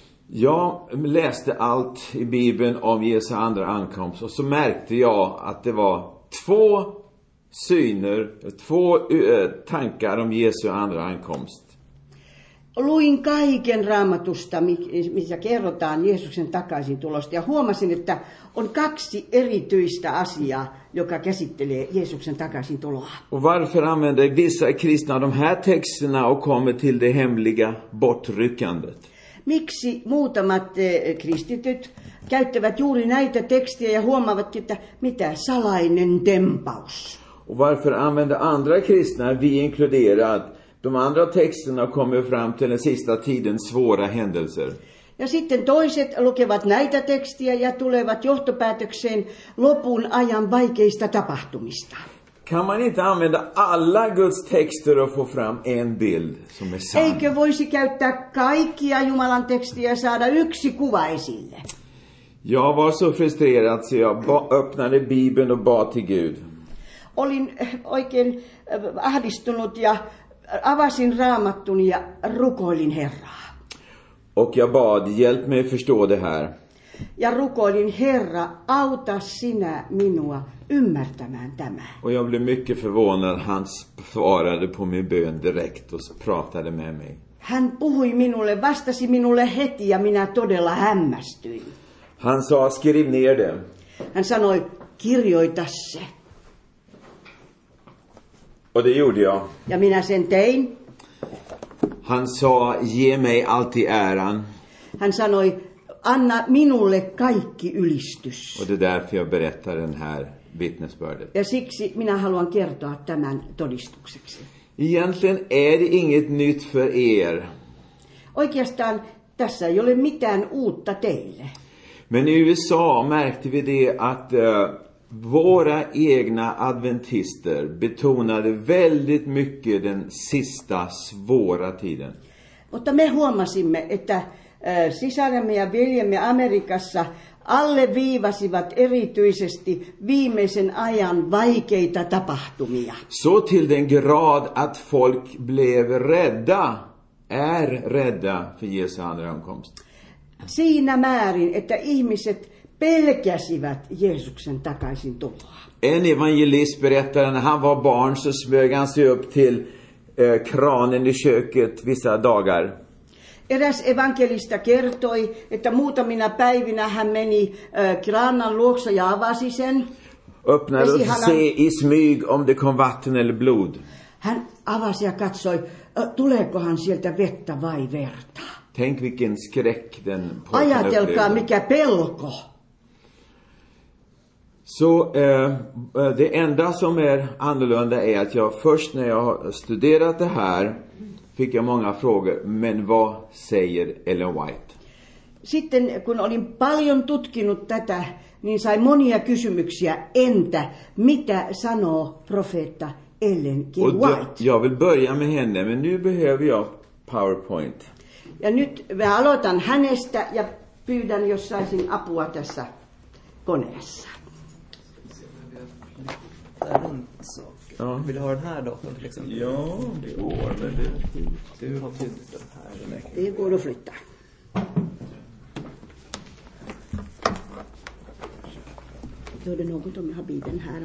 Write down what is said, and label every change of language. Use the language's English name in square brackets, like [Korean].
[Swedish] Jag läste allt i Bibeln om Jesu andra ankomst och så märkte jag att det var två syner, två tankar om Jesu andra ankomst. [Finnish] Luin kaiken Raamatusta, missä kerrotaan Jeesuksen takaisin tulosta, ja huomasin, että on kaksi erityistä asiaa, joka käsittelee Jeesuksen takaisin tuloa. [Swedish] Och varför använder vissa kristna de här texterna och kommer till det hemliga bortryckandet? [Finnish] Miksi muutamat kristityt käyttävät juuri näitä tekstejä ja huomaavat, että mitä salainen tempaus? [Swedish] Och varför använder andra kristna, vi inkluderat, de andra texterna kommer fram till den sista tiden svåra händelser? [Finnish] Ja sitten toiset lukevat näitä tekstejä ja tulevat johtopäätökseen lopun ajan vaikeista tapahtumista. [Swedish] Kan man inte använda alla Guds texter och få fram en bild som är sann? [Finnish] Eikö voisi käyttää kaikkia Jumalan tekstiä ja saada yksi kuva esille? [Swedish] Jag var så frustrerad så jag öppnade Bibeln och bad till Gud. [Finnish] Olin oikein ahdistunut ja avasin Raamattun ja rukoilin Herraa. [Swedish] Och jag bad, hjälp mig förstå det här. [Finnish] Ja rukoilin, Herra, auta sinä minua ymmärtämään tämä. [Swedish] Och jag blev mycket förvånad. Han svarade på min bön direkt och pratade med mig. [Finnish] Hän puhui minulle, vastasi minulle heti ja minä todella hämmästyin. [Swedish] Han sa, skriv ner det. [Finnish] Hän sanoi, kirjoita se. [Swedish] Och det gjorde jag. [Finnish] Ja minä sen tein. [Swedish] Han sa, ge mig alltid äran. [Finnish] Hän sanoi, anna minulle kaikki ylistys. [Swedish] Och det är därför jag berättar den här vittnesbördet. [Finnish] Ja siksi minä haluan kertoa tämän todistukseksi. [Swedish] Egentligen är det inget nytt för er. [Finnish] Oikeastaan tässä ei ole mitään uutta teille. [Swedish] Men i USA märkte vi det att våra egna adventister betonade väldigt mycket den sista svåra tiden. [Finnish] Mutta me huomasimme, että sisaremme ja veljemme Amerikassa alleviivasivat erityisesti viimeisen ajan vaikeita tapahtumia. [Swedish] Så till den grad att folk blev rädda, är rädda för Jesu andra ankomst. [Finnish] Siinä määrin, että ihmiset pelkäsivät Jeesuksen takaisin tuloa. [Swedish] En evangelist berättade, när han var barn så smög han sig upp till kranen i köket vissa dagar. [Finnish] Eräs evankelista kertoi, että muutamina päivinä hän meni kranan luokse ja avasi sen. [Swedish] Öppnade och se i smyg om det kom vatten eller blod. [Finnish] Hän avasi ja katsoi, tuleekohan sieltä vettä vai verta. [Swedish] Tänk vilken skräck den pojken upplevde. [Finnish] Ajatelkaa, mikä pelko. [Swedish] Så det enda som är annorlunda är att jag först när jag har studerat det här fick jag många frågor, men vad säger Ellen White? [Finnish] Sitten kun olin paljon tutkinut tätä, niin sai monia kysymyksiä, entä mitä sanoo profeetta Ellen G. [Swedish] White? Och då, jag vill börja med henne, men nu behöver jag PowerPoint. [Finnish] Ja nyt mä aloitan hänestä ja pyydän, jos saisin apua tässä koneessa. [Swedish] Ja. Vill du ha den här datorn till exempel? Ja, det går, men du har tydligt den här. Det går att flytta. Gör det något om jag har bilen här?